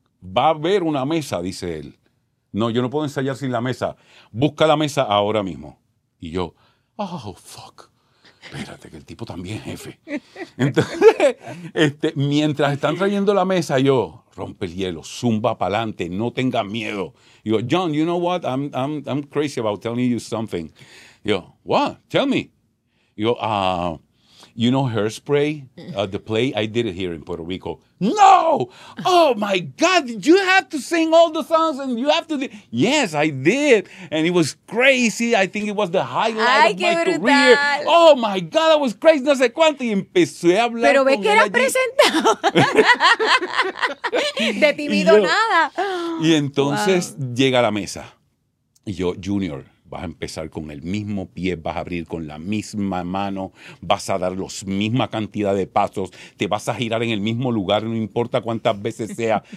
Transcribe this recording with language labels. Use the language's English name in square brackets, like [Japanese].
[Spanish] Va a haber una mesa, dice él. No, yo no puedo ensayar sin la mesa. Busca la mesa ahora mismo. Y yo... [English] Oh, fuck. [Spanish] Espérate, que el tipo también es jefe. Entonces, mientras están trayendo la mesa, yo, rompe el hielo, zumba para adelante, no tengas miedo. Y yo, [English] John, you know what? I'm crazy about telling you something. [Spanish] Y yo, [English] what? Tell me. [Spanish] Y yo, [English] you know Hairspray, the play? I did it here in Puerto Rico. No! Oh, my God! Did you have to sing all the songs and you have to... Yes, I did. And it was crazy. I think it was the highlight of my career. Oh, my God! I was crazy. [Spanish] No sé cuánto. Y empecé a hablar. Pero ve que era presentado. De ti vino nada. Y entonces llega a la mesa. Y yo, Junior... Vas a empezar con el mismo pie, vas a abrir con la misma mano, vas a dar la misma cantidad de pasos, te vas a girar en el mismo lugar, no importa cuántas veces sea.